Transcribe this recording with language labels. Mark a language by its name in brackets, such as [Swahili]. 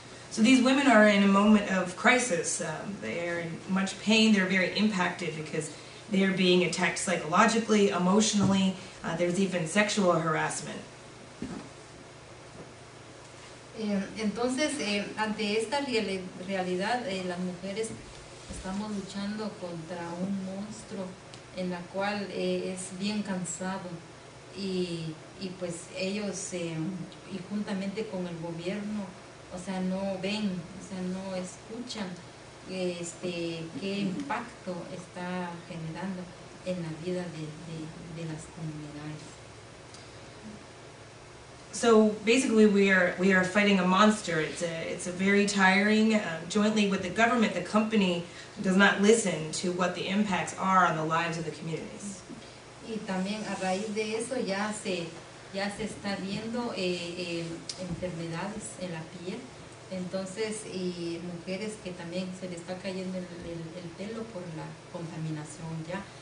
[English] So these women are in a moment of crisis. They are in much pain, they're very impacted because they are being attacked psychologically, emotionally, there's even sexual harassment. [Spanish] Entonces, ante esta realidad, las mujeres estamos luchando contra un monstruo en la cual es bien cansado. Y pues ellos, y juntamente con el gobierno, no ven, no escuchan qué impacto está generando en la vida de las comunidades. [English] So basically we are fighting a monster. It's a very tiring, jointly with the government, the company does not listen to what the impacts are on the lives of the communities. [Spanish] Y también a raíz de eso ya se está viendo enfermedades en la piel. Entonces, y mujeres que también se les está cayendo el pelo por la contaminación ya.